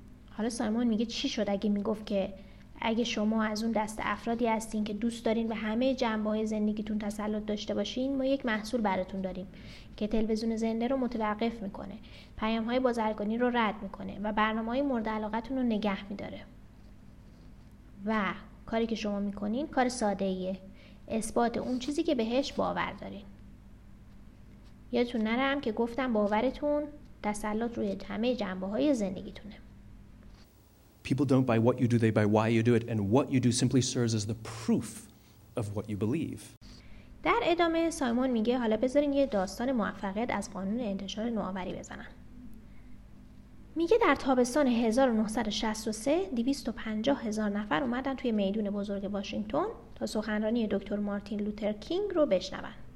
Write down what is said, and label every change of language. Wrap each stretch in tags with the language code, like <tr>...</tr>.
<fa>حالا سایمون میگه چی شد اگه میگفت که اگه شما از اون دست افرادی هستین که دوست دارین به همه جنبه‌های زندگیتون تسلط داشته باشین، ما یک محصول براتون داریم که تلویزیون زنده رو متوقف میکنه، پیام‌های بازرگانی رو رد میکنه و برنامه‌های مورد علاقتون رو نگه میداره. و کاری که شما میکنین کار ساده‌ایه، اثبات اون چیزی که بهش باور دارین. یادتون نرم که گفتم باورتون تسلط روی همه جنبه‌های زندگیتونه.</fa> <en>People don't buy what you do, they buy why you do it, and what you do simply serves as the proof of what you believe.</en> <fa>در ادامه سایمون میگه حالا بذارین یه داستان موفقیت از قانون انتشار نوآوری بزنم. میگه در تابستان 1963 250 هزار نفر اومدن توی میدون بزرگ واشنگتن تا سخنرانی دکتر مارتین لوتر کینگ رو بشنون.</fa>